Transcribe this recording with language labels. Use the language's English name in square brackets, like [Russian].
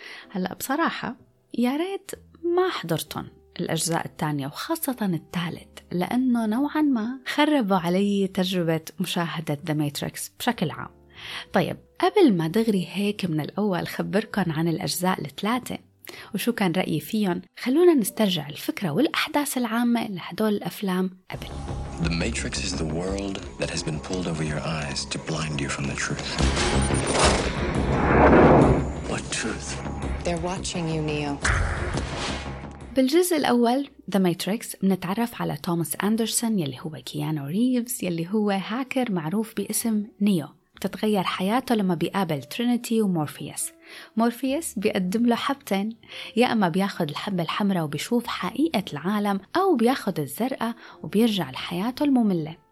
[Arabic] هلأ بصراحة يا ريت ما حضرتهم الأجزاء الثانية وخاصة الثالث، لأنه نوعا ما خربوا علي تجربة مشاهدة The Matrix بشكل عام. طيب قبل ما دغري هيك من الأول خبركن عن الأجزاء الثلاثة وشو كان رأيي فيهم، خلونا نسترجع الفكرة والأحداث العامة لهدول الأفلام قبل. [English] The Matrix is the world that has been pulled over your eyes to blind you from the truth. What truth? They're watching you, Neo. [Arabic] بالجزء الأول The Matrix منتعرف على توماس أندرسون يلي هو كيانو ريفز يلي هو هاكر معروف باسم نيو. تتغير حياته لما بيقابل ترينيتي ومورفيوس. مورفيوس بيقدم له حبتين، يا أما بياخد الحبة الحمراء وبيشوف حقيقة العالم أو بياخد الزرقة وبيرجع لحياته المملة.